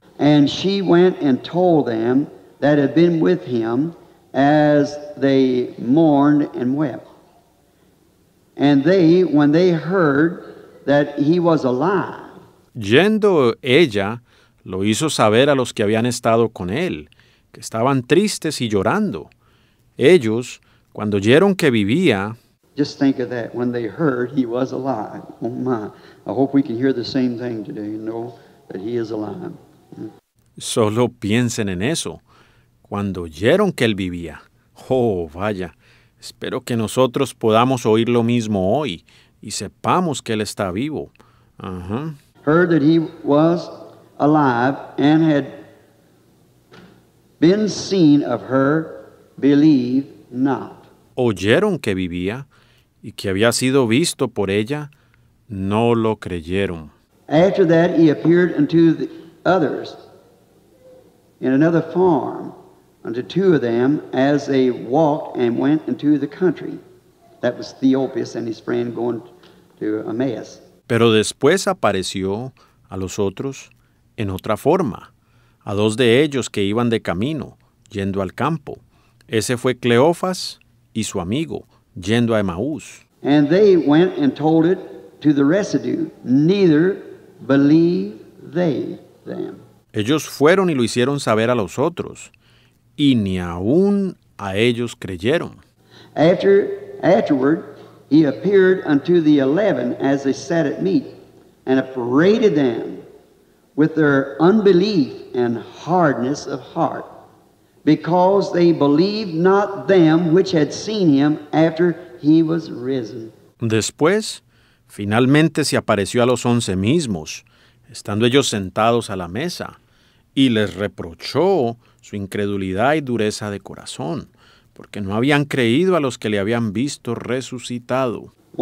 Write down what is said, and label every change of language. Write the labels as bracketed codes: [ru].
[en] And she went and told them that had been with Him as they mourned and wept. And they, when they heard that He was alive. [es] Yendo ella, lo hizo saber a los que habían estado con Él, que estaban tristes y llorando. Ellos, cuando oyeron que vivía, [en] just think of that, when they heard He was alive. Oh my, I hope we can hear the same thing today and know that He is alive. [es] Solo piensen en eso. Cuando oyeron que Él vivía. Oh, vaya, espero que nosotros podamos oír lo mismo hoy y sepamos que Él está vivo. [en] Heard that He was alive and had been seen of her. Believe not. [es] Oyeron que vivía y que había sido visto por ella, no lo creyeron. [en] After that, He appeared unto the others in another form, unto 2 of them, as they walked and went into the country. That was Theopas and his friend going to Emmaus. [es] Pero después apareció a los otros en otra forma, a dos de ellos que iban de camino, yendo al campo. Ese fue Cleofas y su amigo, yendo a Emaús. [en] And they went and told it to the residue, neither believe they them. [es] Ellos fueron y lo hicieron saber a los otros, y ni aún a ellos creyeron. [en] Afterward, he appeared unto the 11 as they sat at meat, and upbraided them with their unbelief and hardness of heart, because they believed not them which had seen him after he was risen. [es] Después, finalmente se apareció a los 11 mismos, estando ellos sentados a la mesa, y les reprochó su incredulidad y dureza de corazón, porque no habían creído a los que le habían visto resucitado.